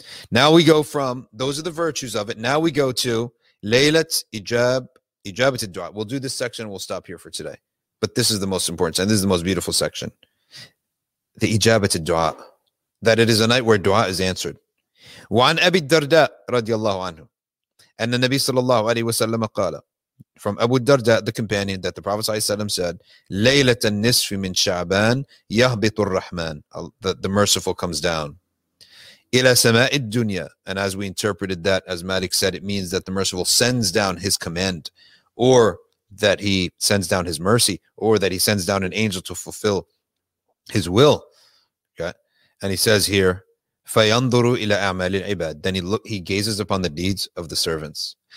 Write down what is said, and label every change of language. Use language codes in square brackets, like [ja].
[en] Now we go from, those are the virtues of it, now we go to laylat ijabat ad-du'a. We'll do this section and we'll stop here for today, but this is the most important and this is the most beautiful section, the ijabat ad-du'a, that it is a night where du'a is answered. [ar] وعن أبي الدرداء رضي الله عنه أن النبي صلى الله عليه وسلم قال, [en] from Abu [ar] الدرداء, [en] the companion, that the Prophet [ar] صلى الله عليه وسلم said, ليلة النصف من شعبان يهبط الرحمن, [en] the merciful comes down, [ar] إلى سماء الدنيا. [en] And as we interpreted that, as Malik said, it means that the merciful sends down his command, or that he sends down his mercy, or that he sends down an angel to fulfill his will. Okay. And he says here, [ar] فَيَنْظُرُ إِلَىٰ أَعْمَالِ الْعِبَادِ, [en] then he gazes upon the deeds of the servants.